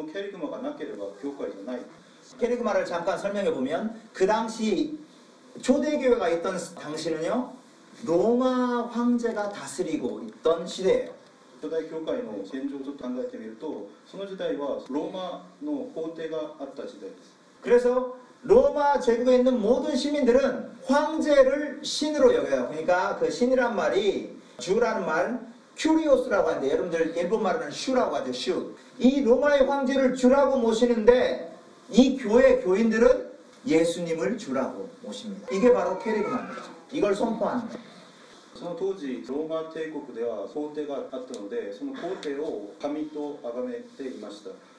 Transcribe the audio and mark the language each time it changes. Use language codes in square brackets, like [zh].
[ja] 初代教会で一番大事なことは何かというと、主イエスを信じること、それを宣言するということです。これをギリシャ語ではケリグマというふうなことを言うんですけど、このケリグマがなければ教会じゃない。ケリグマを [ko] 잠깐 설명해 보면 그 당시 초대교회가 있던 당시는요 로마 황제가 다스리고 있던 시대예요. [ja] 初代教会の現状をちょっと考えてみると、その時代はローマの皇帝があった時代です。 [ko] 그래서 로마 제국에 있는 모든 시민들은 황제를 신으로 여겨요. 그러니까 그 신이란 말이 주라는 말 큐리오스라고 하는데 여러분들 일본 말로는 슈라고 하죠. 슈. 이 로마의 황제를 주라고 모시는데 이 교회 교인들은 예수님을 주라고 모십니다. 이게 바로 캐리그마입니다. 이걸 선포하는 거예요. [ja] 当時ローマ帝国では皇帝があったので、その皇帝を神と崇めていました。